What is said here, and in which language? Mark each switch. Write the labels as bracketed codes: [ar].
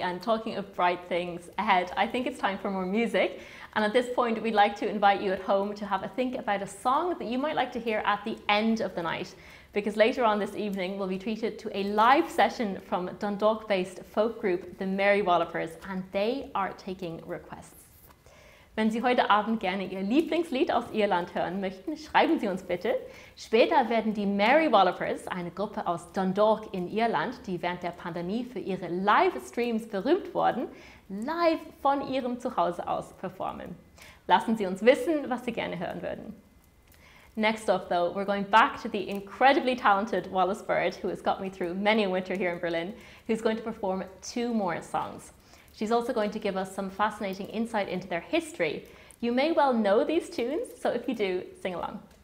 [en] And talking of bright things ahead, I think it's time for more music. And at this point, we'd like to invite you at home to have a think about a song that you might like to hear at the end of the night. Because later on this evening, we'll be treated to a live session from Dundalk-based folk group, the Mary Wallopers, and they are taking requests. [de] Wenn Sie heute Abend gerne Ihr Lieblingslied aus Irland hören möchten, schreiben Sie uns bitte. Später werden die Mary Wallopers, eine Gruppe aus Dundalk in Irland, die während der Pandemie für ihre Livestreams berühmt wurden, live von ihrem Zuhause aus performen. Lassen Sie uns wissen, was Sie gerne hören würden. [en] Next up though, we're going back to the incredibly talented Wallis Bird, who has got me through many a winter here in Berlin, who's going to perform 2 more songs. She's also going to give us some fascinating insight into their history. You may well know these tunes, so if you do, sing along.